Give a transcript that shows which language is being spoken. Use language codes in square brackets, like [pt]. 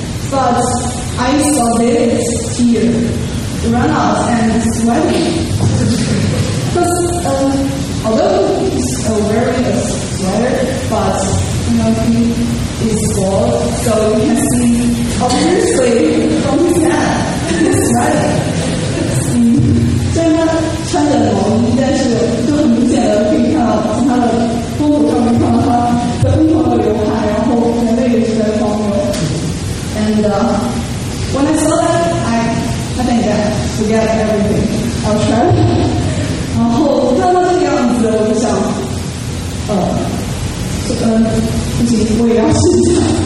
[en] But I saw David's tear run out and sweating. Because although he's wearing a sweater, but you know, he is bald, so you can see obviously from his head, he's sweating. [zh] 虽然他穿着毛衣，但是就很明显的可以看到从他的胸口上面看到他的疯狂的流汗，然后眼泪也是在狂流。 [en] And when I saw that, I think that forget everything. I'll try. [zh] 然后看到这个样子，我就想，不行，我也要试一下。